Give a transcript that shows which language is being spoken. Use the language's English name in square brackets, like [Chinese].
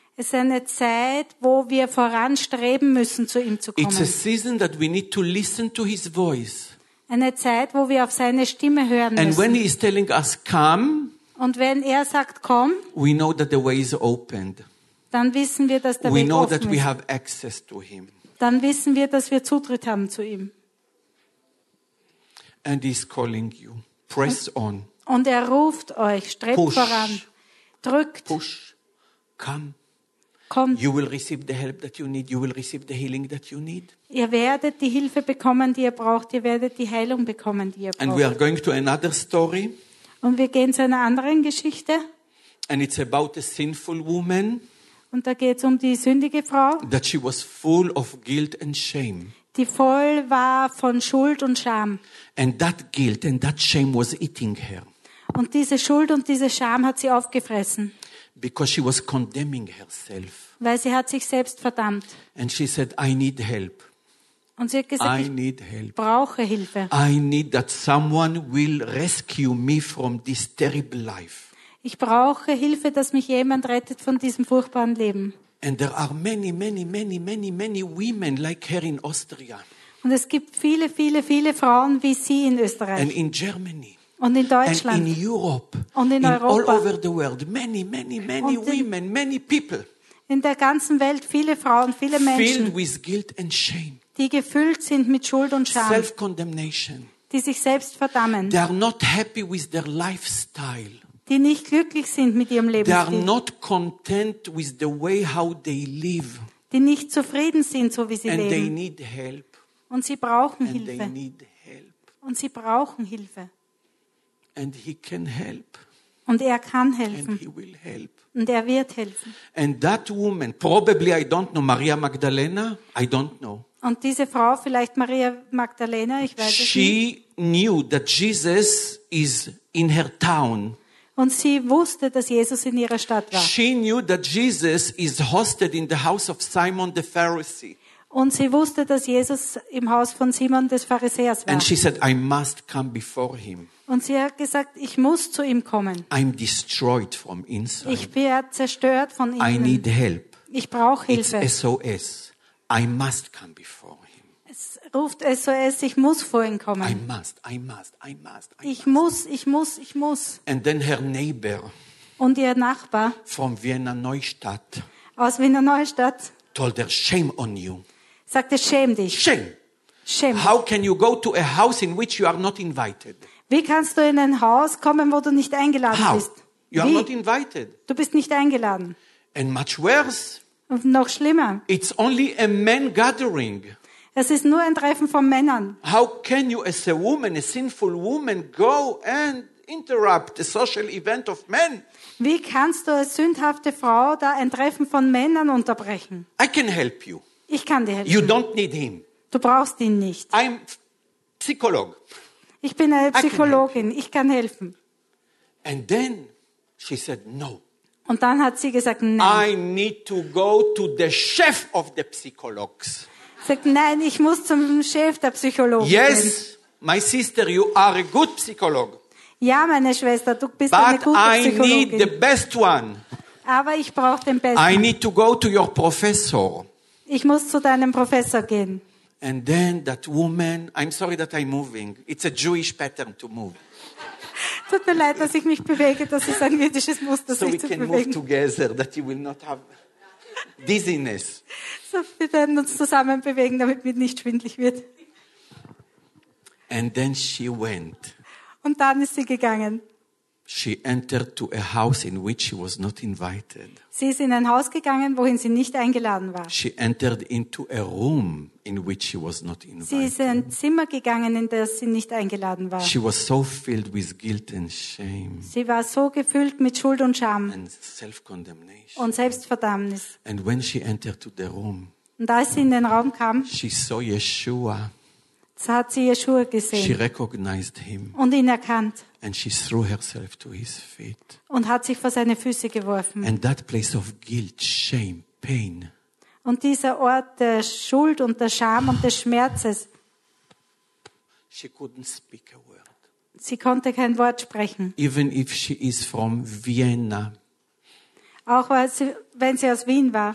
[German] Es ist eine Zeit, wo wir voranstreben müssen, zu ihm zu kommen. [English] It's a season that we need to listen to his voice. [German] Eine Zeit, wo wir auf seine Stimme hören müssen. [English] And when he is telling us come, [German] und wenn er sagt komm, [English] we know that the way is opened. [German] Dann wissen wir, dass der [English] we [German] Weg [English] know [German] offen [English] that [German] ist. [English] We have access to him. [German] Dann wissen wir, dass wir Zutritt haben zu ihm. [English] And he's calling you. Press on. [German] Und er ruft euch, strebt [English] push [German] voran. Drückt. [English] Push. Come. [German] Kommt. [English] You will receive the help that you need. You will receive the healing that you need. [German] Ihr werdet die Hilfe bekommen, die ihr braucht. Ihr werdet die Heilung bekommen, die ihr braucht. [English] And we are going to another story. [German] Und wir gehen zu einer anderen Geschichte. [English] And it's about a sinful woman. [German] Und da geht es um die sündige Frau, [English] that she was full of guilt and shame. [German] Die voll war von Schuld und Scham. [English] And that guilt and that shame was eating her. [German] Und diese Schuld und diese Scham hat sie aufgefressen. [English] Because she was condemning herself. [German] Weil sie hat sich selbst verdammt. [English] And she said, I need help. [German] Und sie hat gesagt, [English] I [German] ich [English] need help. [German] Brauche Hilfe. [English] I need that someone will rescue me from this terrible life. [German] Ich brauche Hilfe, dass mich jemand rettet von diesem furchtbaren Leben. [English] And there are many, many, many, many, many women like her in Austria. [German] Und es gibt viele, viele, viele Frauen wie sie in Österreich. [English] And in Germany. [German] Und in Deutschland. [English] And in Europe. [German] Und in Europa. [English] All over the world. Many, many, many women, many people. [German] In der ganzen Welt viele Frauen, viele Menschen. [English] Filled with guilt and shame. [German] Die gefüllt sind mit Schuld und Scham. [English] Self-condemnation. [German] Die sich selbst verdammen. [English] They are not happy with their lifestyle. [German] Die nicht glücklich sind mit ihrem Lebensstil. [English] They are not content with the way how they live. [German] Die nicht zufrieden sind, so wie sie [English] and [German] leben. [English] They need help. [German] Und sie brauchen [English] and [German] Hilfe. [English] They need help. [German] Und sie brauchen Hilfe. [English] And he can help. [German] Und er kann helfen. [English] And he will help. [German] Und er wird helfen. [English] And that woman, probably I don't know, Maria Magdalena, I don't know. [German] Und diese Frau, vielleicht Maria Magdalena, ich weiß [English] she [German] es nicht. [English] She knew that Jesus is in her town. [German] Und sie wusste, dass Jesus in ihrer Stadt war. [English] She knew that Jesus is hosted in the house of Simon the Pharisee. [German] Und sie wusste, dass Jesus im Haus von Simon des Pharisäers war. [English] And she said, I must come before him. [German] Und sie hat gesagt, ich muss zu ihm kommen. [English] I'm destroyed from inside. [German] Ich bin zerstört von innen. [English] I need help. [German] Ich brauche Hilfe. [English] It's SOS. I must come before him. [German] Es ruft SOS, ich muss vor ihn kommen. [English] I must, I must, I must. I [German] ich [English] must. [German] Muss, ich muss, ich muss. [English] And then her neighbor. [German] Und ihr Nachbar. [English] From Vienna Neustadt. [German] aus wie in der neuen Stadt. [English] Told her, shame on you. [German] Sagte, schäm dich. [English] Shame. Shame. How can you go to a house in which you are not invited? [German] Wie kannst du in ein Haus kommen, wo du nicht eingeladen [English] How? [German] Bist? [English] You [German] wie? [English] Are not invited. [German] Du bist nicht eingeladen. [English] And much worse. [German] Und noch schlimmer. [English] It's only a man gathering. [German] Es ist nur ein Treffen von Männern. [English] How can you, as a woman, a sinful woman, go and interrupt a social event of men? [German] Wie kannst du als sündhafte Frau da ein Treffen von Männern unterbrechen? [English] I can help you. [German] Ich kann dir helfen. [English] You don't need him. [German] Du brauchst ihn nicht. [English] I'm Psychologe. [German] Ich bin eine Psychologin. Ich kann helfen. [English] And then she said no. [German] Und dann hat sie gesagt, nein. [English] I need to go to the chef of the psychologs. [German] Sagt, nein, ich muss zum Chef der Psychologen. [English] Yes, my sister, you are a good Psychologe. [German] Ja, meine Schwester, du bist [English] But [German] eine gute Psychologin. [English] But I need the best one. [German] Aber ich brauche den besten. [English] I need to go to your professor. [German] Ich muss zu deinem Professor gehen. [English] And then that woman, I'm sorry that I'm moving. It's a Jewish pattern to move. [German] Tut mir leid, dass ich mich bewege. Das ist ein jüdisches Muster, [English] so [German] sich zu bewegen. [English] So we can move together, that you will not have dizziness. [German] So wir werden uns zusammen bewegen, damit mir nicht schwindelig wird. [English] And then she went. [German] Und dann ist sie gegangen. [English] She entered to a house in which she was not invited. [German] Sie ist in ein Haus gegangen, wohin sie nicht eingeladen war. [English] She entered into a room in which she was not invited. [German] Sie ist in ein Zimmer gegangen, in das sie nicht eingeladen war. [English] She was so filled with guilt and shame. [German] Sie war so gefüllt mit Schuld und Scham. [English] And self-condemnation. [German] Und Selbstverdammnis. [English] And when she entered to the room. [German] Und als sie in den Raum kam. [English] She saw Yeshua. [German] Hat sie Yeshua gesehen. [English] She recognized him. [German] Und ihn erkannt. [English] And she threw herself to his feet. [German] Und hat sich vor seine Füße geworfen. [English] And that place of guilt, shame, pain. [German] Und dieser Ort der Schuld und der Scham und des Schmerzes. [English] She couldn't speak a word. [German] Sie konnte kein Wort sprechen. [English] Even if she is from Vienna. [German] Auch wenn sie aus Wien war.